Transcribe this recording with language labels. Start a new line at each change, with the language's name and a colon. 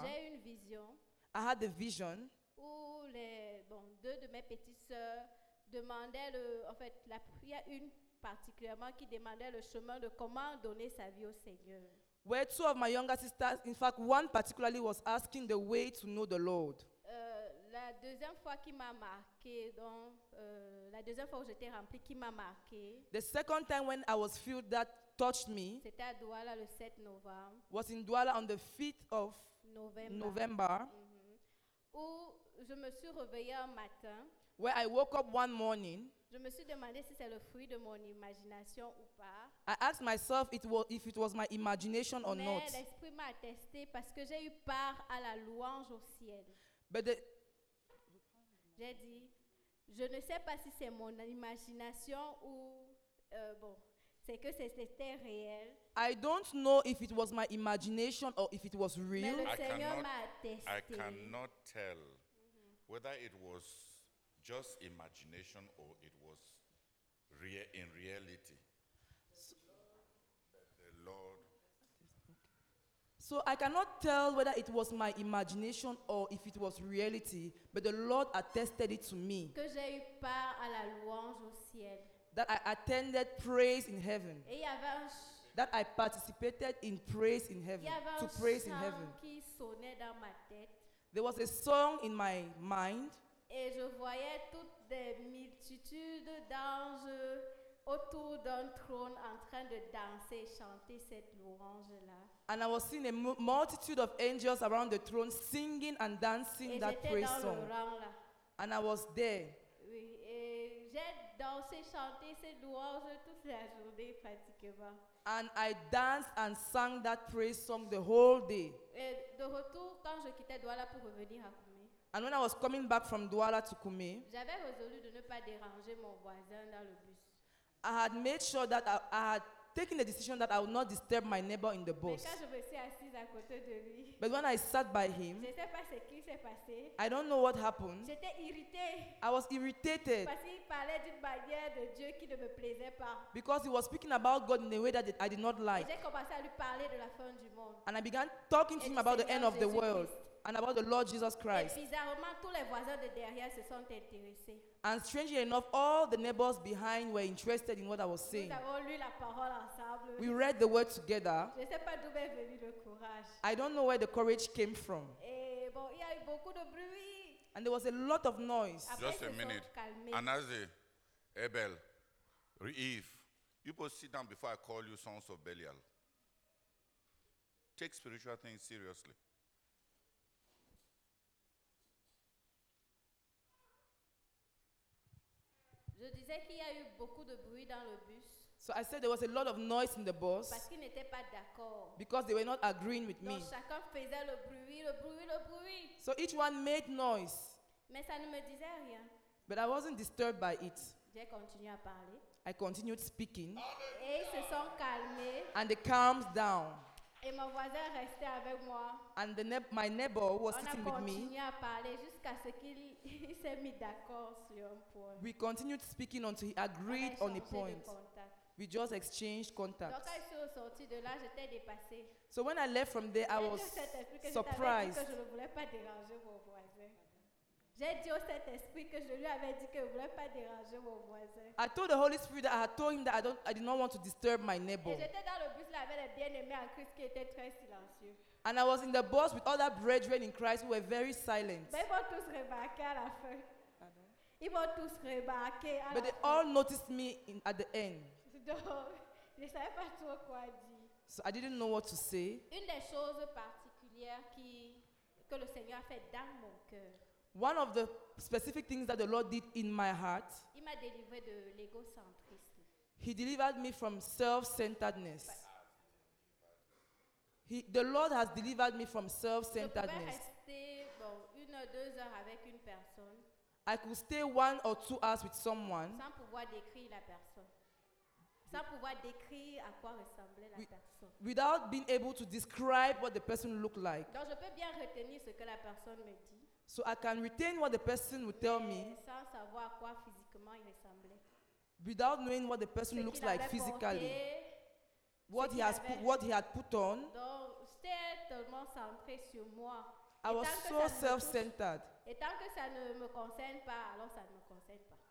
French: J'ai une vision.
English: I had a vision.
French: Où deux de mes petites sœurs demandaient il y a une particulièrement qui demandait le chemin de comment donner sa vie au Seigneur.
English: Where 2 of my younger sisters, in fact, 1 particularly was asking the way to know the Lord.
French: La deuxième fois qui m'a marqué, la deuxième fois où j'étais rempli, qui m'a marqué.
English: The second time when I was filled that touched me.
French: C'était à Douala le 7 novembre.
English: Was in Douala on the 5th of November.
French: Mm-hmm. Où je me suis réveillée un matin.
English: Where I woke up one morning.
French: Je me suis demandé si c'est le fruit de mon imagination ou pas.
English: I asked myself if it was my imagination or
French: mais
English: not.
French: Mais l'esprit m'a attesté parce que j'ai eu part à la louange au ciel.
English: But the
French: j'ai dit, je ne sais pas si c'est mon imagination ou c'est que c'était réel.
English: I don't know if it was my imagination or if it was real.
French: Mais le Seigneur m'a attesté.
English: I cannot tell whether it was just imagination or it was real in reality. The Lord. So I cannot tell whether it was my imagination or if it was reality, but the Lord attested it to me.
French: Que j'ai eu part à la louange au ciel.
English: That I attended praise in heaven.
French: Et y avait un
English: that I participated in praise in heaven.
French: Y avait
English: to
French: un
English: praise in heaven.
French: Qui sonnait dans ma tête.
English: There was a song in my mind.
French: Et je voyais toutes des multitudes d'anges autour d'un trône en train de danser, chanter cette louange-là.
English: And I was seeing a multitude of angels around the throne singing and dancing
French: et
English: that praise song.
French: Et j'étais dans le rang là.
English: And I was there.
French: Oui, et J'ai dansé, chanté ces louanges toute la journée pratiquement.
English: And I danced and sang that praise song the whole day.
French: Et de retour, quand je quittais Douala pour revenir à Koumé.
English: And when I was coming back from Douala to Koumé,
French: j'avais résolu de ne pas déranger mon voisin dans le bus.
English: I had made sure that I had taken the decision that I would not disturb my neighbor in the bus.
French: Mais quand je me suis assise à côté de lui,
English: but when I sat by him,
French: je sais pas ce qui s'est passé.
English: I don't know what happened.
French: J'étais irritée.
English: I was irritated.
French: Parce qu'il parlait d'une manière de Dieu qui ne me plaisait pas.
English: Because he was speaking about God in a way that I did not like.
French: Et j'ai commencé à lui parler de la fin du monde.
English: And I began talking to him about the end of the world. And about the Lord Jesus Christ.
French: Et bizarrement, tous les voisins de derrière se sont intéressés.
English: And strangely enough, all the neighbors behind were interested in what I was saying.
French: Nous avons lu la parole ensemble.
English: We read the word together.
French: Je sais pas d'où est venu le courage.
English: I don't know where the courage came from.
French: Et bon, il y a eu beaucoup de bruit.
English: And there was a lot of noise.
French: Après,
English: just a minute. Anazé, Abel, Eve, you both sit down before I call you sons of Belial. Take spiritual things seriously.
French: Je disais qu'il y a eu beaucoup de bruit dans le bus.
English: So I said there was a lot of noise in the bus.
French: Parce qu'ils n'étaient pas d'accord.
English: Because they were not agreeing with me.
French: Donc chacun faisait le bruit, le bruit, le bruit.
English: So each one made noise.
French: Mais ça ne me disait rien.
English: But I wasn't disturbed by it.
French: J'ai continué à parler.
English: I continued speaking.
French: Et ils se sont calmés.
English: And they calmed down.
French: Et mon voisin restait avec moi.
English: And my neighbor was on sitting with me.
French: On a continué à parler jusqu'à ce qu'il s'est mis d'accord sur un point.
English: We continued speaking until he agreed on a point. We just exchanged contacts.
French: Donc, quand je suis sortie de là, j'étais dépassée.
English: So when I left from there, I was surprised.
French: Je ne voulais pas déranger mon voisin. J'ai dit au Saint-Esprit que je lui avais dit que je ne voulais pas déranger mon voisin.
English: I told the Holy Spirit that I had told him that I did not want to disturb my neighbor.
French: Et j'étais dans le bus là avec les bien-aimés en Christ qui étaient très silencieux.
English: And I was in the bus with other brethren in Christ who were very silent.
French: Mais ils vont tous remarquer à la fin. Ils vont tous remarquer à
English: but But they all noticed me at the end.
French: Donc, je ne savais pas trop quoi dire.
English: So I didn't know what to say.
French: Une des choses particulières que le Seigneur a fait dans mon cœur.
English: One of the specific things that the Lord did in my heart,
French: il m'a délivré de l'égocentrisme.
English: He delivered me from self-centeredness. The Lord has delivered me from self-centeredness.
French: Je pouvais rester, bon, une ou deux heures avec une personne.
English: I could stay 1 or 2 hours with someone
French: sans pouvoir décrire la personne. Sans pouvoir décrire à quoi ressemblait la personne.
English: Without being able to describe what the person looked like.
French: Donc je peux bien retenir ce que la personne me dit.
English: So I can retain what the person would tell me
French: sans savoir à quoi physiquement il ressemblait.
English: Without knowing what the person
French: ce
English: looks like
French: porté,
English: physically. What he has put, what he had put on.
French: Donc, j'étais tellement centré sur moi.
English: I was so self-centered.
French: Et tant que ça ne me concerne pas, alors ça ne me concerne pas.